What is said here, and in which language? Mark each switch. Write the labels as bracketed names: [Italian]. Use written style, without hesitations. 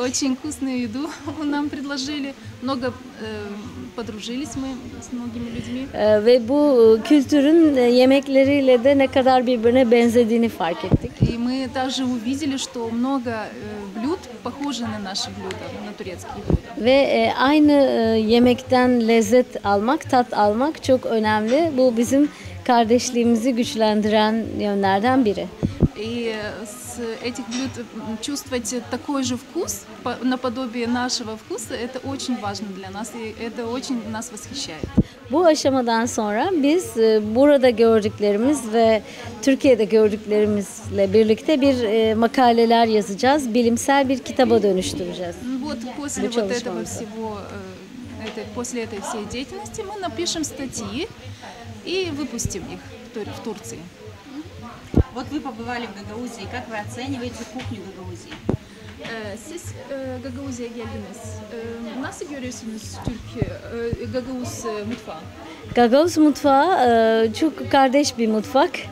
[Russian] Очень вкусную еду нам предложили, много подружились мы с многими людьми. [Turkish] Ve bu kültürün yemekleriyle de ne kadar birbirine benzediğini fark ettik. [Russian] И мы также увидели, что много блюд похожи на наши блюда, на турецкие блюда. [Turkish] Ve aynı yemekten lezzet almak, tat almak çok önemli. Bu bizim kardeşliğimizi güçlendiren yönlerden biri. [Russian] и с этих блюд чувствовать такой же вкус, наподобие нашего вкуса, это очень важно для нас, и это очень нас восхищает. [Turkish] Bu aşamadan sonra biz burada gördüklerimiz ve Türkiye'de gördüklerimizle birlikte bir makaleler yazacağız, bilimsel bir kitaba dönüştüreceğiz. [Russian] Вот после вот этого всего, после этой всей деятельности мы напишем статьи и выпустим их в Турции. Вот вы побывали в Гагаузии, как вы оцениваете кухню Гагаузии? [Turkish] Siz Gagauzya geldiniz. Nasıl görüyorsunuz Türkiye Gagauz mutfağı? Gagauz mutfağı çok kardeş bir mutfak.